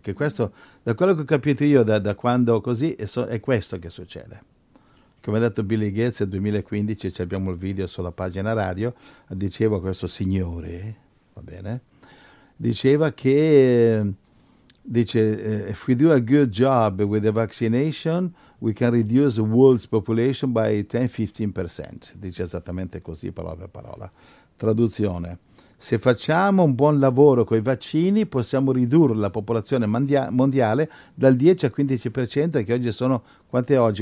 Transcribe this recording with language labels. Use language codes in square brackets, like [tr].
[it] Che questo, da quello che ho capito io da quando così, è questo che succede. Come ha detto Bill Gates nel 2015, abbiamo il video sulla pagina radio, diceva questo signore, va bene, diceva che. Dice, [en] if we do a good job with the vaccination, we can reduce the world's population by 10-15%. [it] Dice esattamente così, parola per parola. Traduzione: se facciamo un buon lavoro con i vaccini, possiamo ridurre la popolazione mondiale dal 10 al 15%, che oggi sono, quant'è oggi?